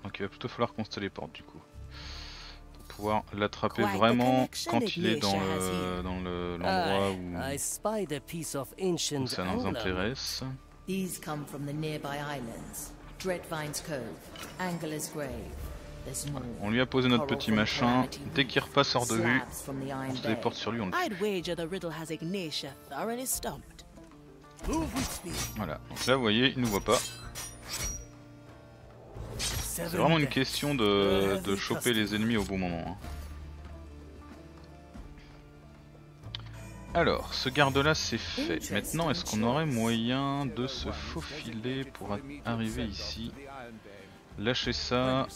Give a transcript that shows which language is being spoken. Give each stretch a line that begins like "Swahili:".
French: Donc il va plutôt falloir qu'on se téléporte du coup. Pour pouvoir l'attraper vraiment quand il est dans l'endroit où ça nous intéresse.
English: These come from the nearby islands, Dreadvine's Cove, Angler's Grave. There's more.
French: On lui a posé notre petit machin. Dès qu'il repasse hors de vue, on se déporte sur lui. On le tue.
English: I'd wager the riddle has Ignatia thoroughly stumped.
French: Voilà. Donc là, vous voyez, il nous voit pas. C'est vraiment une question de choper les ennemis au bon moment. Hein. Alors, ce garde-là c'est fait. Maintenant, est-ce qu'on aurait moyen de se faufiler pour arriver ici? Lâcher ça.